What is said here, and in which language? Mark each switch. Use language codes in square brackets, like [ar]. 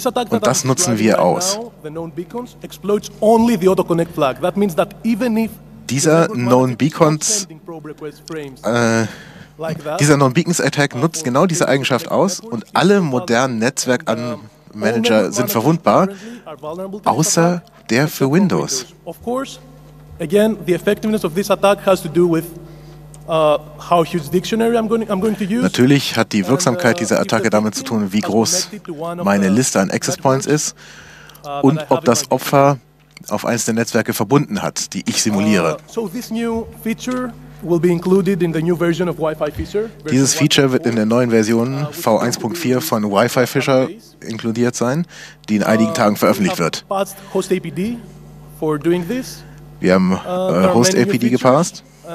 [de] Und das nutzen wir aus. Dieser Known Beacons Attack nutzt genau diese Eigenschaft aus und alle modernen Netzwerkanmanager sind verwundbar, außer der für Windows. [en] Of course, again, the effectiveness of this attack has to do with how huge dictionary I'm going to use. [de] Natürlich hat die Wirksamkeit dieser Attacke damit zu tun, wie groß meine Liste an Access Points ist und ob das Opfer auf eines der Netzwerke verbunden hat, die ich simuliere. [en] So this new feature will be included in the new version of Wi-Fi Fisher. [de] Dieses Feature wird in der neuen Version V1.4 von Wi-Fi Fisher inkludiert sein, die in einigen Tagen veröffentlicht wird. Wir haben Host APD gepasst.